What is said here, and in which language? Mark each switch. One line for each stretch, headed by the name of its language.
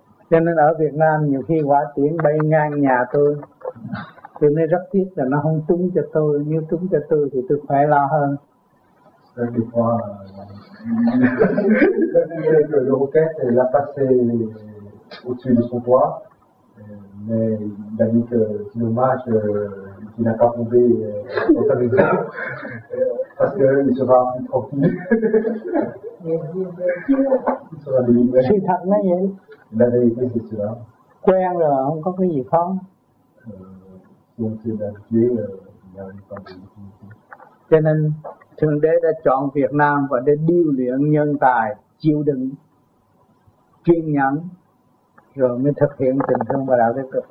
Vietnamese: Cho nên ở Việt Nam nhiều khi hỏa tiễn bay ngang nhà tôi nên rất tiếc là nó không trúng cho tôi, nếu trúng cho tôi thì tôi khỏe lo hơn.
French: Le roquet l'a passé au-dessus de son toit, mais il a dit que c'est dommage qu'il n'a pas tombé dans sa maison parce qu'il sera plus tranquille. Il sera délivré. C'est
Vietnamese: thật, nó vậy.
French: La vérité, c'est cela.
Vietnamese: Quen rồi, không có cái gì khó.
French: Si on s'est habitué, il n'y avait pas de difficulté.
Vietnamese: Cho nên Thượng Đế đã chọn Việt Nam và để điêu luyện nhân tài, chịu đựng, kiên nhẫn, rồi mới thực hiện tình thương và đạo đức.